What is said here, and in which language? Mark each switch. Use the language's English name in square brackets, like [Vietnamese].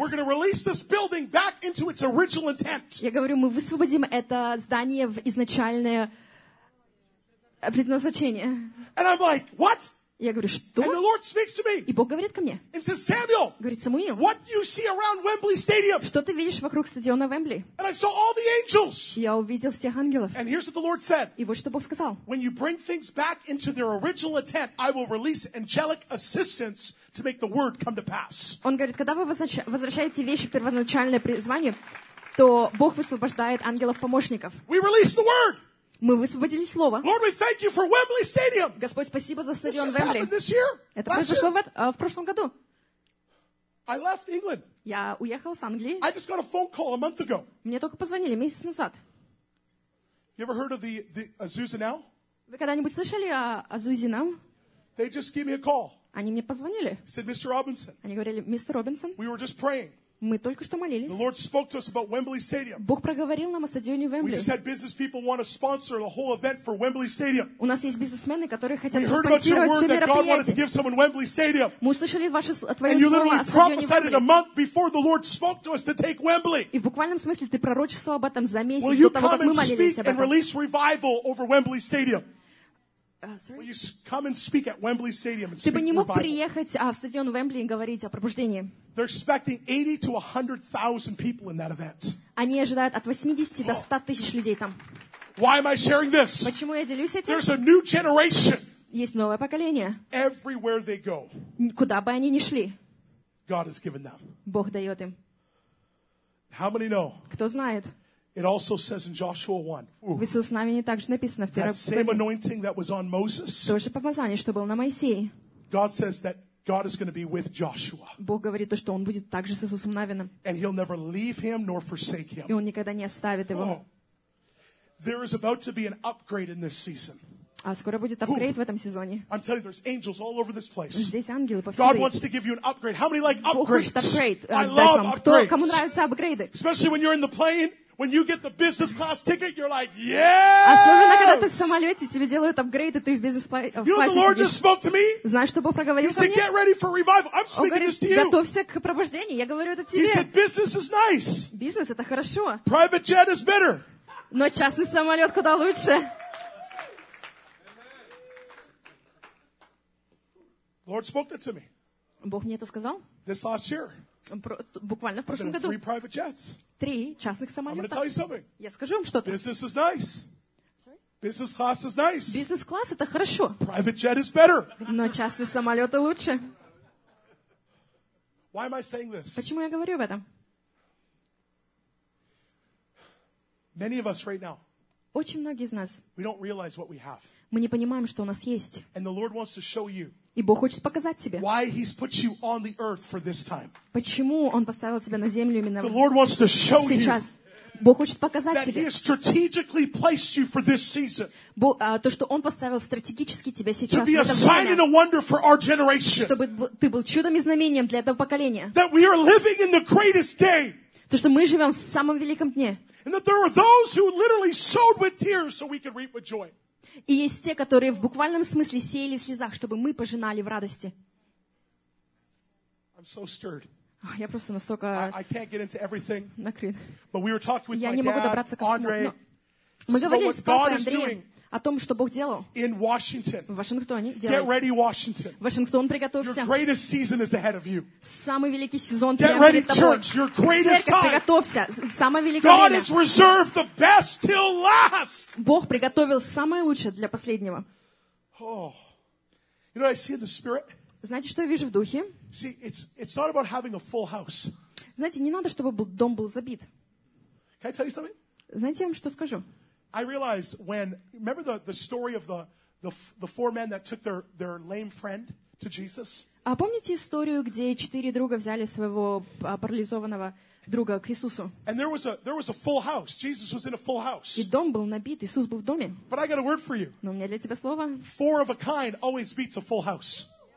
[English] We're going to release this building back into its original intent. [Russian] Я говорю, мы высвободим это здание в изначальное предназначение. [English] And I'm like, what? [Russian] Я говорю, что? [English] And the Lord speaks to me. [Russian] И Бог говорит ко мне. [English] And says, Samuel. [Russian] Говорит, Самуил. [English] What do you see around Wembley Stadium? [Russian] Что ты видишь вокруг стадиона Wembley? [English] And I saw all the angels. [Russian] Я увидел всех ангелов. [English] And here's what the Lord said. [Russian] И вот что Бог сказал. [English] When you bring things back into their original intent, I will release angelic assistance to make the word come to pass. [Russian] Он говорит, когда вы возвращаете вещи в первоначальное призвание, то Бог высвобождает ангелов-помощников. [English] We release the word. [Russian] Мы высвободили слово. [English] Lord, we thank you for Wembley Stadium. [Russian] Господь, спасибо за стадион Wembley. [English] This just happened this year. [Russian] Это произошло в прошлом году. [English] I left England. [Russian] Я уехал с Англии. [English] I just got a phone call a month ago. [Russian] Мне только позвонили месяц назад. [English] You ever heard of the Azusa Now? [Russian] Вы когда-нибудь слышали о Azusa Now? [English] They just gave me a call. [Russian] Они мне позвонили. [English] Said Mr. Robinson. [Russian] Они говорили, мистер Робинсон. [English] We were just praying. [Russian] Мы только что молились. [English] The Lord spoke to us about Wembley Stadium. [Russian] Бог проговорил нам о стадионе Wembley. [English] We just had business people want to sponsor the whole event for Wembley Stadium. [Russian] У нас есть бизнесмены, которые хотят спонсировать все мероприятие. Мы услышали ваше твое слово. [English] And you literally prophesied a month before the Lord spoke to us to take Wembley. [Russian] И в буквальном смысле ты пророчествовал об этом за месяц до того, как мы молились об этом. [English] And release revival over Wembley Stadium. Will you come and speak at Wembley Stadium and speak revival? [Russian] Ты бы не мог приехать в стадион Wembley и говорить о пробуждении? [English] They're expecting 80 to 100,000 people in that event. [Russian] Они ожидают от 80 до 100 тысяч людей там. [English] Why am I sharing this? [Russian] Почему я делюсь этим? [English] There's a new generation. [Russian] Есть новое поколение. [English] Everywhere they go. [Russian] Куда бы они ни шли. [English] God has given them. [Russian] Бог дает им. [English] How many know? [Russian] Кто знает? [English] It also says in Joshua 1. [Russian] В Исаии также написано. [English] That same anointing that was on Moses. [Russian] То же помазание, что было на Моисее. [English] God says that God is going to be with Joshua. [Russian] Бог говорит то, что он будет также с Иисусом Навином. [English] And he'll never leave him nor forsake him. [Russian] И он никогда не оставит его. [English] There is about to be an upgrade in this season. [Russian] А скоро будет апгрейд в этом сезоне. [English] I'm telling you, there's angels all over this place. [Russian] Здесь ангелы повсюду. [English] God wants to give you an upgrade. How many like upgrades? [Russian] Бог хочет апгрейд. Кому нравятся апгрейды? [English] Especially when you're in the plane. When you get the business class ticket, you're like, yes! [Russian] Особенно когда ты в самолете, тебе делают апгрейд, и ты в бизнес-классе сидишь. [English] You know the Lord just spoke to me? [Russian] Знаешь, что Бог проговорил ко мне? [English] He said, get ready for revival. I'm speaking this to you. [Russian] Готовься к пробуждению. Я говорю это тебе. [English] He said, business is nice. [Russian] Бизнес это хорошо. [English] Private jet is better. [Russian] Но частный самолет куда лучше. [English] Lord spoke that to me. [Russian] Бог мне это сказал. [English] This last year. [Russian] Буквально в прошлом году. [English] Three private jets. [Russian] Три частных самолета. Я скажу вам что-то. [English] Business is nice. Business class is nice. Business class [Russian] это хорошо. [English] Private jet is better. [Russian] Но частные самолеты лучше. [English] Why am I saying this? [Russian] Почему я говорю об этом? [English] Many of us right now. [Russian] Очень многие из нас. [English] We don't realize what we have. [Russian] Мы не понимаем, что у нас есть. [English] And the Lord wants to show you. [Russian] И Бог хочет показать тебе. [English] Why he's put you on the earth for this time. [Russian] Почему он поставил тебя на землю именно [English] the Lord wants to show [Russian] сейчас? [English] You [Russian] Бог хочет показать [English] that [Russian] тебе. [English] He has strategically placed you for this season. [Russian] То, что он поставил стратегически тебя сейчас [English] to be [Russian] в это время. [English] A sign and a wonder for our generation. [Russian] Чтобы ты был чудом и знамением для этого поколения. [English] That we are living in the greatest day. [Russian] То, что мы живем в самом великом дне. [English] And that there are those who literally sowed with tears so we could reap with joy. [Russian] И есть те, которые в буквальном смысле сеяли в слезах, чтобы мы пожинали в радости. [English] I'm so stirred. [Russian] Я просто настолько накрыт. [English] We [Russian] я не могу добраться ко всему. Мы говорили с папой Андреем о том, что Бог делал [English] in Washington. [Russian] В Вашингтоне. [English] Get ready, Washington. [Russian] Вашингтон, приготовься. [English] Your greatest season is ahead of you. [Russian] Самый великий сезон [English] Get ready, [Russian] перед тобой. [English] Church, your greatest [Russian] Церковь, [English] time. [Russian] Приготовься. Самое великое [English] God [Russian] время. [English] Has reserved the best till last. [Russian] Бог приготовил самое лучшее для последнего. [English] Oh. You know, I see in the spirit. [Russian] Знаете, что я вижу в духе? [English] See, it's not about having a full house. [Russian] Знаете, не надо, чтобы дом был забит. [English] Can I tell you something? [Russian] Знаете, я вам что скажу? [English] I realized when remember the story of the four men that took their lame friend to Jesus. [Russian] А помните историю, где четыре друга взяли своего парализованного друга к Иисусу? [English] And there was a full house. Jesus was in a full house. [Russian] И дом был набит, Иисус был в доме. [English] But I got a word for you. [Russian] Но у меня для тебя слово. [English] Four of a kind always beats a full house.